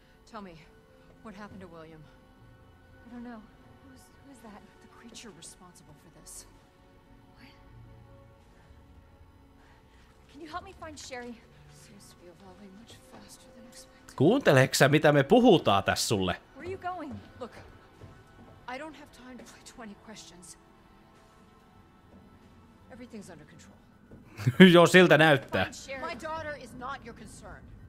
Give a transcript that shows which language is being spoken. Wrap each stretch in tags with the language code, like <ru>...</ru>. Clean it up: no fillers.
<en>Tell me, what happened to William? I don't know. Who is that? The creature responsible for this. What? Can you help me find Sherry? Seems to be evolving much faster than expected.</en> <fi>Kuunteleksä, mitä me puhutaan tässä sulle?</fi> <en>Where are you going? Look, I don't have time to play 20 questions. Everything's under control.</en> <fi>Joo, siltä näyttää.</fi> <en>My daughter is not your concern.</en>